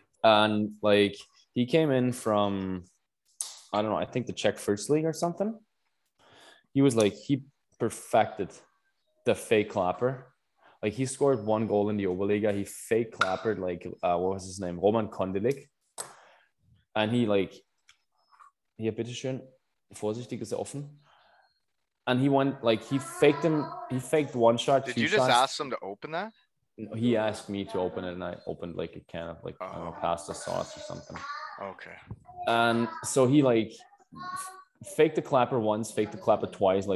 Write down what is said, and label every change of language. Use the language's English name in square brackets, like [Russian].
[English] And, like, he came in from, I don't know, I think the Czech First League or something. He was, like, he perfected the fake clapper. Like, he scored one goal in the Oberliga. He fake clappered, like, what was his name? Roman Kondilik. And he, like, [German] hier bitte schön, vorsichtig ist er offen. [English] And he went, like, he faked one shot. Did you just ask him to open that? He asked me to open it, and I opened, like, a can of, like, I don't know, pasta sauce or something. Okay. And so he, like, faked the clapper once, faked the clapper twice.